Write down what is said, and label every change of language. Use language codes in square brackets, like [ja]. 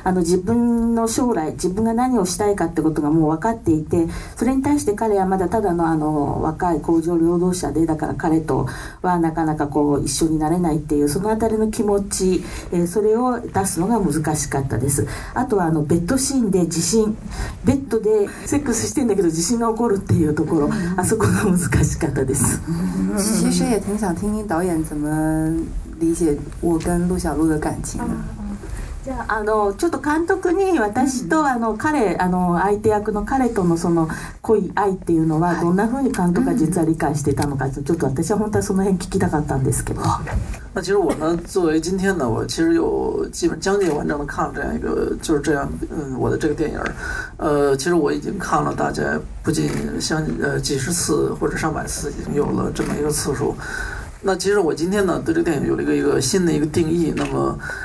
[ja] 自分の将来自分が何をしたいかってことがもう分かっていて、それに対して彼はまだただ の若い工場労働者で、だから彼とはなかなかこう一緒になれないっていう、そのあたりの気持ち、それを出すのが難しかったです。あとはベッドシーンで地震、ベッドでセックスしてんだけど地震が起こるっていうところ、あそこが難しかったです。 [zh] 其实也挺想听听导演怎么理解我跟陆小璐的感情呢。 [ja] ちょっと監督に私と彼相手役の彼との恋愛っていうのはどんな風に監督が実は理解してたのか、ちょっと私は本当はその辺聞きたかったんですけど。 [zh] 那其实我呢，作为今天呢，我其实有基本将近完整的看了这样一个，就是这样，我的这个电影，其实我已经看了大概不仅像几十次或者上百次，已经有了这么一个次数。那其实我今天呢，对这个电影有了一个新的一个定义，那么。